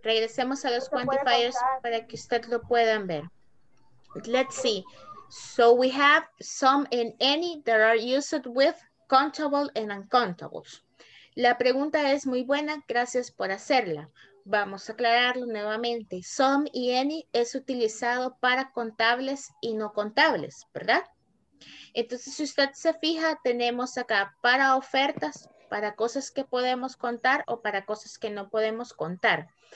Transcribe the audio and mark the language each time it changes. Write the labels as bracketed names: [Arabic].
[Spanish] Regresemos a los quantifiers para que usted lo puedan ver. [English] Let's see. So we have some and any that are used with countable and uncountables. [Spanish] La pregunta es muy buena, gracias por hacerla. Vamos a aclararlo nuevamente. Some y any es utilizado para contables y no contables, ¿verdad? Entonces, si usted se fija, tenemos acá para ofertas, para cosas que podemos contar o para cosas que no podemos contar.